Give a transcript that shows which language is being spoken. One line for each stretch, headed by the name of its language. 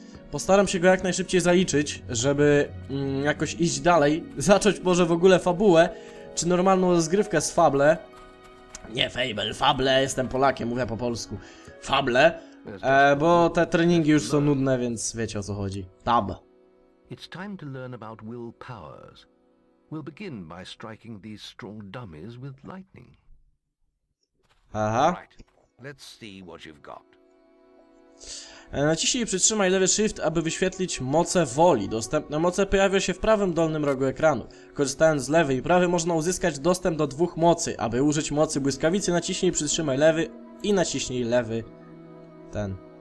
Polish: Postaram się go jak najszybciej zaliczyć, żeby jakoś iść dalej, zacząć może w ogóle fabułę, czy normalną rozgrywkę z Fable. Nie Fable, Fable, jestem Polakiem, mówię po polsku. Fable. Bo te treningi już są nudne, więc wiecie o co chodzi. Tab.
English: It's time to learn about will powers. We'll begin by striking these strong dummies with lightning. Aha. Let's see what you've got.
Polish: Naciśnij i przytrzymaj lewy shift, aby wyświetlić moce woli. Dostępne moce pojawia się w prawym dolnym rogu ekranu. Korzystając z lewej i prawej można uzyskać dostęp do dwóch mocy. Aby użyć mocy błyskawicy, naciśnij i przytrzymaj lewy i naciśnij lewy. Ten.